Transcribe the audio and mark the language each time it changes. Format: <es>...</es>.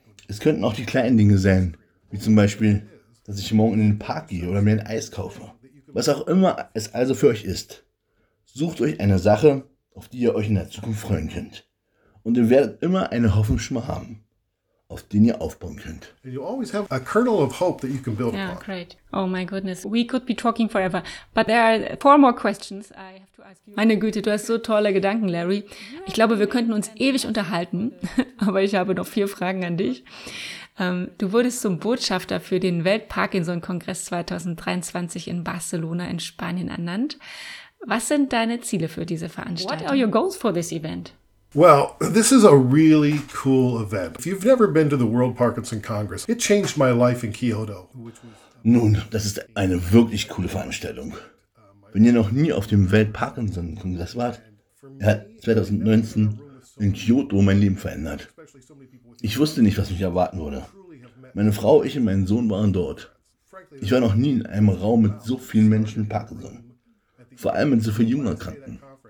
<de>Es könnten auch die kleinen Dinge sein, wie zum Beispiel, dass ich morgen in den Park gehe oder mir ein Eis kaufe. Was auch immer es also für euch ist, sucht euch eine Sache, auf die ihr euch in der Zukunft freuen könnt. Und ihr werdet immer eine Hoffnungsschimmer haben, auf den ihr aufbauen könnt.</de> <en>And you always have a kernel of hope that you can build yeah, upon. Yeah, great. Oh my goodness. We could be talking forever. But there are four more questions I have to ask you.</en> <de>Meine Güte, du hast so tolle Gedanken, Larry. Ich glaube, wir könnten uns ewig unterhalten. Aber ich habe noch vier Fragen an dich. Du wurdest zum Botschafter für den Weltparkinson-Kongress 2023 in Barcelona in Spanien ernannt. Was sind deine Ziele für diese Veranstaltung?</de> <en>What are your goals for this event? Well, this is a really cool event. If you've never been to the World Parkinson Congress, it changed my life in Kyoto.</en> <de>Nun, das ist eine wirklich coole Veranstaltung. Wenn ihr noch nie auf dem Weltparkinson-Kongress wart, er hat 2019 in Kyoto mein Leben verändert. Ich wusste nicht, was mich erwarten würde. Meine Frau, ich und mein Sohn waren dort. Ich war noch nie in einem Raum mit so vielen Menschen mit Parkinson. Vor allem mit so vielen jungen Erkrankten.</de>